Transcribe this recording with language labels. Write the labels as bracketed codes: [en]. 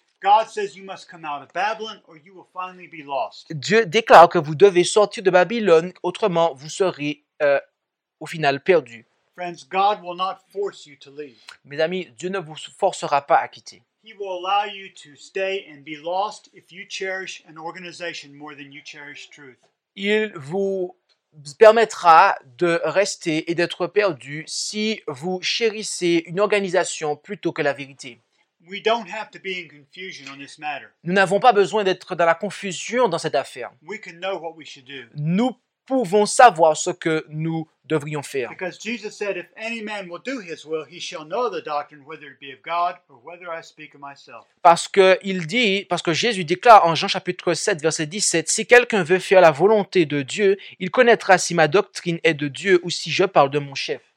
[en] God says you must come out of Babylon or you will finally be lost. [fr] Dieu déclare que vous devez sortir de Babylone, autrement vous serez au final perdu. [en] Friends, God will not force you to leave. [fr] Mes amis, Dieu ne vous forcera pas à quitter. [en] He will allow you to stay and be lost if you cherish an organization more than you cherish truth. [fr] Il vous permettra de rester et d'être perdu si vous chérissez une organisation plutôt que la vérité. [en] We don't have to be in confusion on this matter. [fr] Nous n'avons pas besoin d'être dans la confusion dans cette affaire. [en] We can know what we should do. [fr] Nous pouvons savoir ce que nous devrions faire. [en] Because Jesus said, if any man will do his will, he shall know the doctrine, whether it be of God or whether I speak of myself. [fr] Parce que Jésus déclare en Jean chapitre 7 verset 17, si quelqu'un veut faire la volonté de Dieu, il connaîtra si ma doctrine est de Dieu ou si je parle de mon chef.